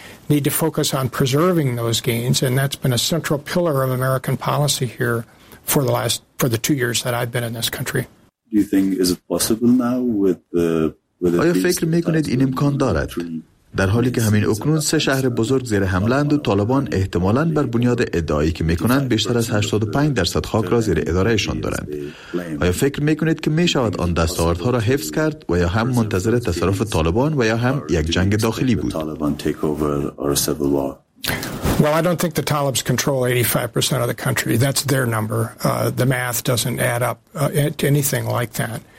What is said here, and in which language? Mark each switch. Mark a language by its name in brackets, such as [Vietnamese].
[English] Need to focus on preserving those gains, and that's been a central pillar of American policy here for the 2 years that I've been in this country. Do you think is it possible now with [Persian] آیا فکر میکنید این امکان دارد؟ در حالی که همین اکنون سه شهر بزرگ زیر حمله‌اند و طالبان احتمالاً بر بنیاد ادعایی که میکنند بیشتر از 85% خاک را زیر اداره‌شان دارند، آیا فکر میکنید که میشود آن دستاوردها را حفظ کرد و یا هم منتظر تصرف طالبان و یا هم یک جنگ داخلی بود؟ [English] Well, I don't think the Talibs control 85% of the country. That's their number. The math doesn't add up to anything like that.